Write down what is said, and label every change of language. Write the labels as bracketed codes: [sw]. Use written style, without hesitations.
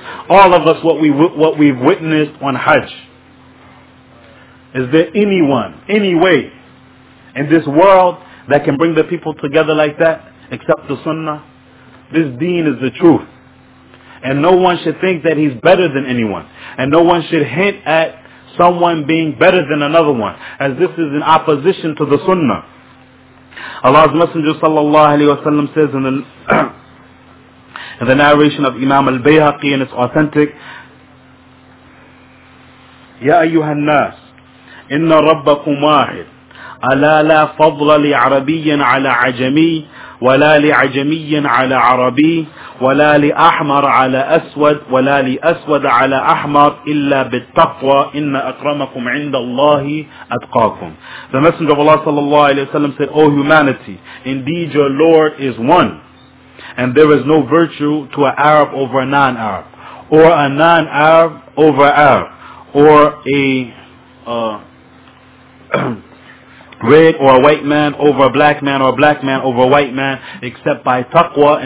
[en] All of us, what we've witnessed on Hajj, is there anyone, any way in this world that can bring the people together like that except the sunnah? This deen is the truth. And no one should think that he's better than anyone. And no one should hint at someone being better than another one, as this is in opposition to the sunnah. Allah's Messenger sallallahu alayhi wa sallam says in the narration of Imam al-Bayhaqi, and it's authentic, [ar] يَا أَيُّهَا النَّاسِ إِنَّ رَبَّكُمْ وَاحِدٌ أَلَا لَا فَضْلَ لِعَرَبِيٍّ عَلَى عَجَمِيٍّ وَلَا لِعَجَمِيٍّ عَلَى عَرَبِيٍّ وَلَا لِأَحْمَرَ عَلَى أَسْوَدٍ وَلَا لِأَسْوَدَ عَلَى أَحْمَرٍ إِلَّا بِالتَّقْوَى إِنَّ أَكْرَمَكُمْ عِنْدَ اللَّهِ أَتْقَاكُمْ. [en] The Messenger of Allah sallallahu alayhi wa sallam said, O humanity, indeed your Lord is one, and there is no virtue to an Arab over a non-Arab, or a non-Arab over an Arab, or a red or a white man over a black man, or a black man over a white man, except by taqwa.